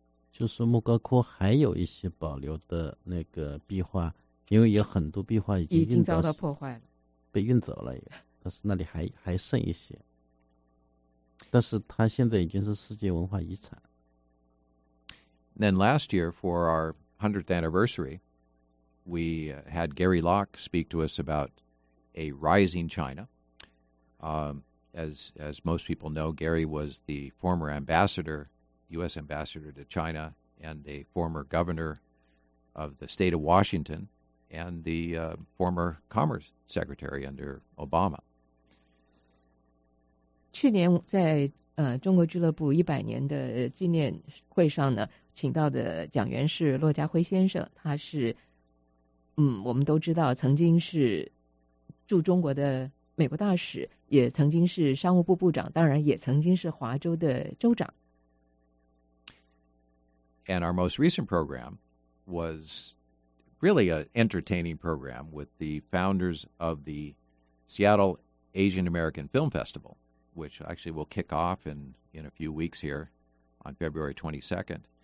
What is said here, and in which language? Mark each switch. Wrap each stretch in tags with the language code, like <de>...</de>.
<zh>就是莫高窟还有一些保留的那个壁画，因为有很多壁画已经遭到破坏了，被运走了，但是那里还剩一些，但是它现在已经是世界文化遗产。</zh> <en>Then last year for our 100th anniversary, we had Gary Locke speak to us about a rising China. As most people know, Gary was the former ambassador, U.S. ambassador to China, and a former governor of the state of Washington, and the former commerce secretary under Obama.</en> <zh>去年在中国俱乐部一百年的纪念会上呢，请到的讲员是骆家辉先生。他是我们都知道曾经是驻中国的美国大使，也曾经是商务部部长，当然也曾经是华州的州长。</zh> <en>And our most recent program was really an entertaining program with the founders of the Seattle Asian American Film Festival, which actually will kick off in a few weeks here on February 22nd.</en>